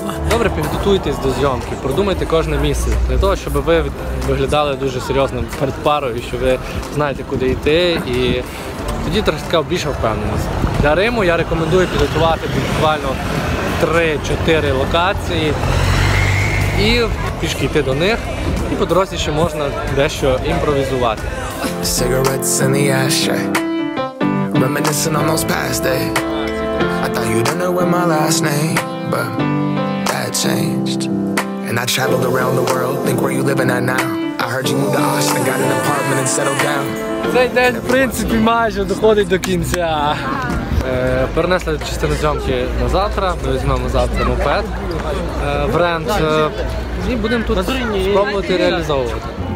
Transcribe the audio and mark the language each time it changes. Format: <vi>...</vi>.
<uk>Добре, підготуйтесь до зйомки, продумайте кожне місце для того, щоб ви виглядали дуже серйозно перед парою, що ви знаєте, куди йти, і тоді трошки більше впевненість. Для Риму я рекомендую підготувати буквально 3-4 локації і пішки йти до них, і по дорозі ще можна дещо імпровізувати.</uk> <en>Cigarettes in the ashtray, reminiscing on those past days. I thought you didn't know where my last name, but that changed. And I traveled around the world, think where you living at now. I heard you moved to Austin, got an apartment and settled down.</en> <uk>Цей день, в принципі, майже доходить до кінця. Перенесли частину зйомки на завтра, ми візьмемо завтра мопед в рент. І будемо тут спробувати реалізовувати.</uk>